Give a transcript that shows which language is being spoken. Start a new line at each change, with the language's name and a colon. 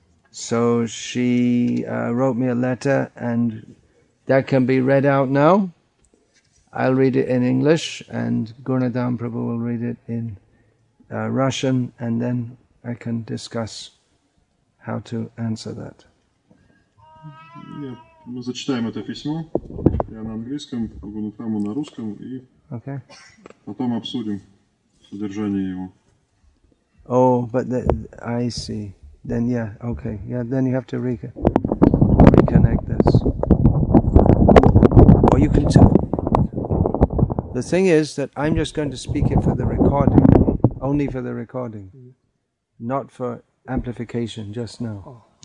English: So she wrote me a letter, and that can be read out now. I'll read it in English, and Gurnadam Prabhu will read it in Russian, and then I can discuss how to answer that.
Russian: Мы зачитаем это письмо. Я на английском, Гурнадам на русском, и потом обсудим содержание его.
English: Oh, but I see. Then, yeah, okay. Yeah, then you have to reconnect this. Or you can tell. The thing is that I'm just going to speak it for the recording. Only for the recording. Not for amplification, just now.